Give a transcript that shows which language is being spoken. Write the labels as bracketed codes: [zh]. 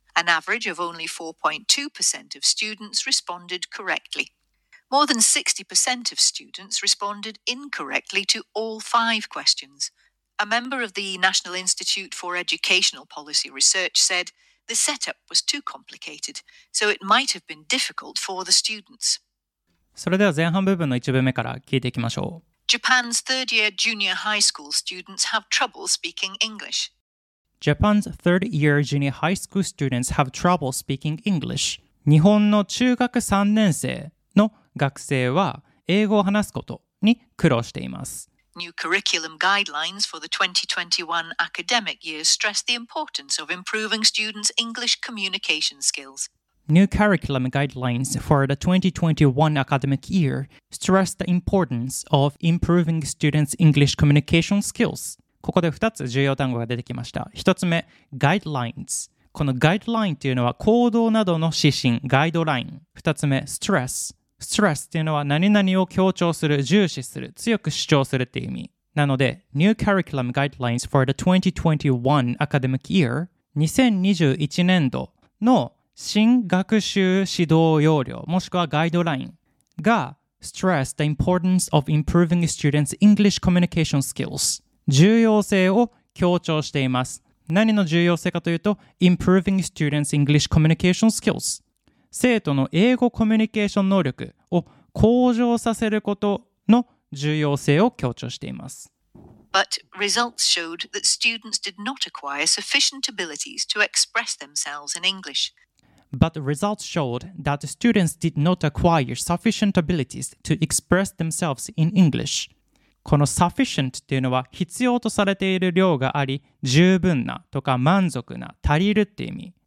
[en] An average of only 4.2% of students responded correctly. More than 60% of students responded incorrectly to all five questions. A member of the National Institute for Educational Policy Research said the setup was too complicated, so it might have been difficult for the students. [ja] それでは前半部分の一部目から聞いていきましょう。 [en] Japan's third-year junior high school students have trouble speaking English. Japan's third-year junior high school students have trouble speaking English. [ja] 日本の中学3年生の学生は英語を話すことに苦労しています。 [en] New curriculum guidelines for the 2021 academic year stress the importance of improving students' English communication skills. New curriculum guidelines for the 2021 academic year stress the importance of improving students' English communication skills. [ja] ここで2つ重要単語が出てきました。 1つ目、guidelines。この guideline というのは行動などの指針、guideline。 2つ目、stress。 stress というのは何々を強調する、重視する、強く主張するという意味。なので、 [en] New Curriculum Guidelines for the 2021 Academic Year、 [ja] 2021年度の新学習指導要領、もしくは [en] guideline [ja] が [en] stress the importance of improving students' English communication skills。 [ja] 重要性を強調しています。何の重要性かというと、 [en] improving students' English communication skills。 [ja] 生徒の英語コミュニケーション能力を向上させることの重要性を強調しています。 [en] But results showed that students did not acquire sufficient abilities to express themselves in English. But results showed that students did not acquire sufficient abilities to express themselves in English. [ja] この sufficient っていうのは必要とされている量があり、十分なとか満足な、足りるっていう意味。